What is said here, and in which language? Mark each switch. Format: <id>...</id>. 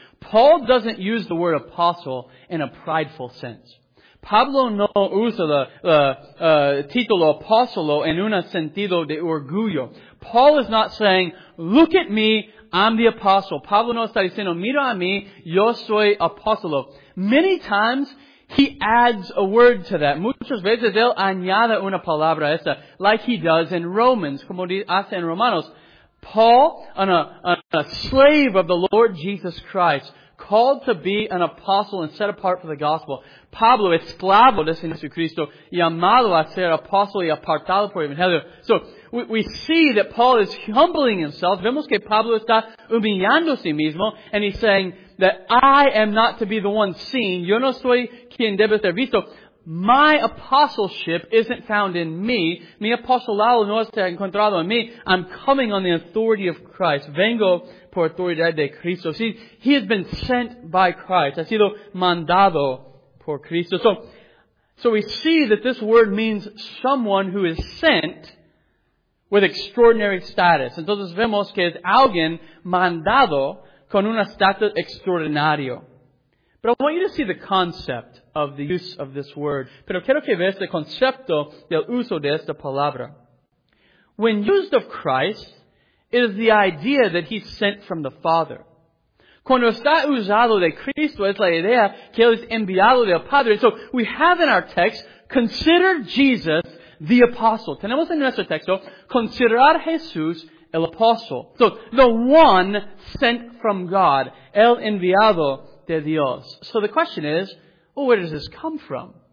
<en>Paul doesn't use the word apostle in a prideful sense.</en> <es>Pablo no usa el título apóstolo en un sentido de orgullo.</es> <en>Paul is not saying, look at me, I'm the apostle.</en> <es>Pablo no está diciendo, mira a mí, yo soy apóstolo.</es> <en>Many times, he adds a word to that.</en> <es>Muchas veces, él añade una palabra a esa,</es> <en>like he does in Romans,</en> <es>como hace en Romanos.</es> <en>Paul, a slave of the Lord Jesus Christ, called to be an apostle and set apart for the gospel.</en> <es>Pablo, esclavo de Señor Jesucristo, llamado a ser apóstol y apartado por el Evangelio.</es> <en>So, we see that Paul is humbling himself.</en> <es>Vemos que Pablo está humillando sí mismo,</es> <en>and he's saying that I am not to be the one seen.</en> <es>Yo no soy quien debe ser visto.</es> <en>My apostleship isn't found in me.</en> <es>Mi apostolado no está encontrado en mí.</es> <en>I'm coming on the authority of Christ.</en> <es>Vengo por autoridad de Cristo.</es> <en>See, he has been sent by Christ.</en> <es>Ha sido mandado por Cristo.</es> <en>So we see that this word means someone who is sent with extraordinary status.</en> <es>Entonces vemos que es alguien mandado con un estatus extraordinario.</es> <en>But I want you to see the concept of the use of this word.</en> <es>Pero quiero que veas el concepto del uso de esta palabra.</es> <en>When used of Christ, it is the idea that he's sent from the Father.</en> <es>Cuando está usado de Cristo, es la idea que él es enviado del Padre.</es> <en>So we have in our text, consider Jesus the apostle.</en> <es>Tenemos en nuestro texto, considerar Jesús el apostle.</es> <en>So the one sent from God,</en> <es>el enviado de Dios.</es> <en>So the question is, well, where does this come from?</en>